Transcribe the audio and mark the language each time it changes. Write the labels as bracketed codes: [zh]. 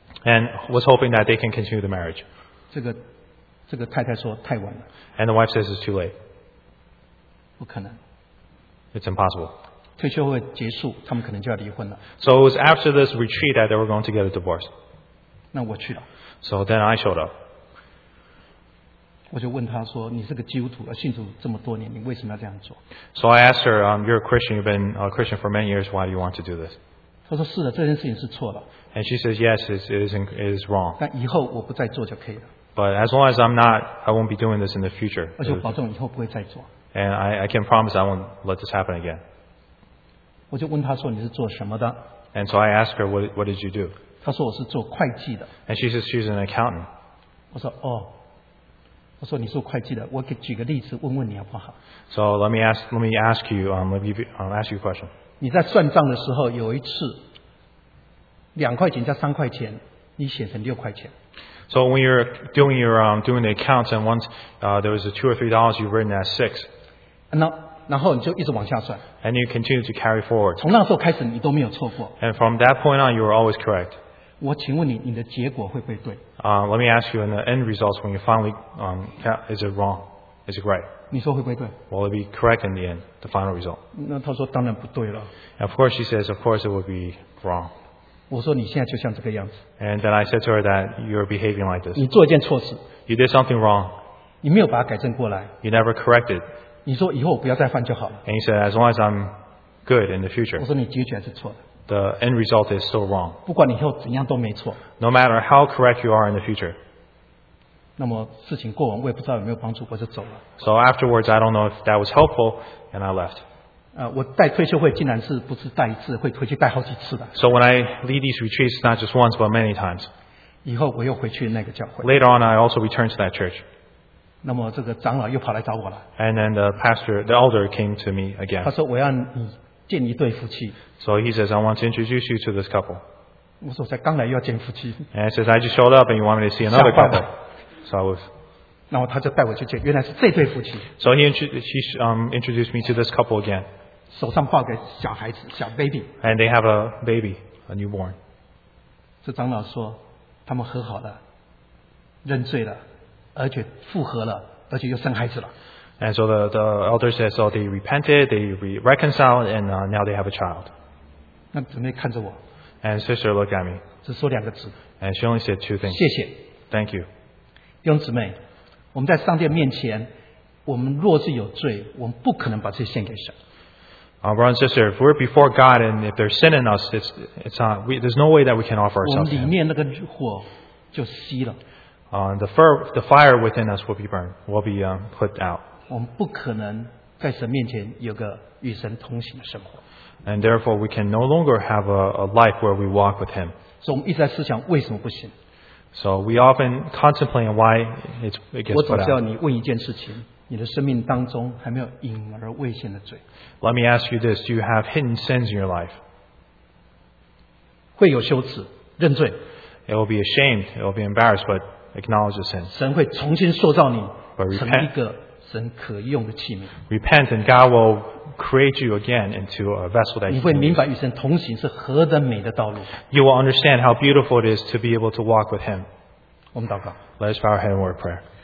[en] and was hoping that they can continue the marriage. [zh] 这个太太说, 太晚了, [en] and the wife says it's too late. [zh] 不可能, [en] it's impossible. [zh] 退休会结束, [en] so it was after this retreat that they were going to get a divorce. [zh] 那我去了, [en] so then I showed up. [zh] 我就问他说, 你是个基督徒, 信主这么多年, 你为什么要这样做? [en] So I asked her, you're a Christian, you've been a Christian for many years, why do you want to do this? [zh] 她说是的, 这件事情是错了, [en] and she says, yes, it is wrong. [zh] 但以后我不再做就可以了, [en] but as long as I'm not, I won't be doing this in the future. [zh] 而且保证以后不会再做, [en] and I can promise I won't let this happen again. [zh] 我就问她说你是做什么的? [en] And so I asked her, what did you do? [zh] 她说我是做会计的, [en] and she says she's an accountant. [zh] 我说, 哦, 我说你是做会计的, 我给举个例子, 问问你好不好? [en] So let me ask you a question. [zh] 你在算账的时候有一次, 两块钱加三块钱, 你写成六块钱。 [en] So when you're doing your doing the accounts and once there was a $2 or $3 you've written as six. [zh] 然后你就一直往下算。 [en] And you continue to carry forward. [zh] 从那时候开始你都没有错过。 [en] And from that point on you were always correct. [zh] 我请问你，你的结果会不会对？ [en] Let me ask you in the end results when you finally is it wrong? Is it right? [zh] 你说会不会对？ [en] Will it be correct in the end, the final result? [zh] 那他说当然不对了。 [en] And of course she says, of course it would be wrong. [zh] 我说你现在就像这个样子。 [en] And then I said to her that you're behaving like this. [zh] 你做一件错事。 [en] You did something wrong. [zh] 你没有把它改正过来。 [en] You never corrected. [zh] 你说以后我不要再犯就好了。 [en] And he said, as long as I'm good in the future. [zh] 我说你结局还是错的。 [en] The end result is still wrong. [zh] 不管你以后怎样都没错。 [en] No matter how correct you are in the future. [zh] 那么事情过完，我也不知道有没有帮助，我就走了。 [en] So afterwards, I don't know if that was helpful, and I left. [zh] 我带退休会竟然是不是带一次，会回去带好几次的。 [en] So when I lead these retreats, not just once, but many times. [zh] 以后我又回去那个教会。 [en] Later on, I also returned to that church. [zh] 那么这个长老又跑来找我了。 [en] And then the pastor, the elder came to me again. [zh] 他说我要你见一对夫妻。 [en] So he says, I want to introduce you to this couple. [zh] 我说我才刚来又要见夫妻。 [en] And he says, I just showed up and you want me to see another couple. So I was... [zh] 然后他就带我去见，原来是这对夫妻。 [en] So he introduced me to this couple again. [zh] 手上抱个小孩子，小 baby. [en] And they have a baby, a newborn. [zh] 这长老说，他们和好了，认罪了，而且复合了，而且又生孩子了。 [en] And so the elder says, so they repented, they reconciled, and now they have a child. [zh] 那姊妹看着我。 [en] And sister looked at me. [zh] 只说两个字。 [en] And she only said two things. [zh] 谢谢。 [en] Thank you. [zh] 弟兄姊妹。我们在上帝面前，我们若是有罪，我们不可能把这些献给神。 [en] Brother and sister, if we're before God and if there's sin in us, there's no way that we can offer ourselves. [zh] 我们里面那个火就熄了。 [en] The fire within us will be burned, will be put out. [zh] 我们不可能在神面前有个与神同行的生活。 [en] And therefore, we can no longer have a life where we walk with Him. [zh] 所以我们一直在思想为什么不行。 [en] So we often contemplate why it gets put out. [zh] 我只要你问一件事情，你的生命当中还没有隐而未现的罪。 [en] Let me ask you this: Do you have hidden sins in your life? [zh] 会有羞耻，认罪。 [en] It will be ashamed. It will be embarrassed, but acknowledge the sin. [zh] 神会重新塑造你， [en] but repent, [zh] 成一个神可用的器皿。 [en] Repent, and God will create you again into a vessel that you can use. [zh] 你会明白与神同行是何等美的道路。 [en] You will understand how beautiful it is to be able to walk with Him. [zh] 我们祷告。 [en] Let us bow our head in word of prayer.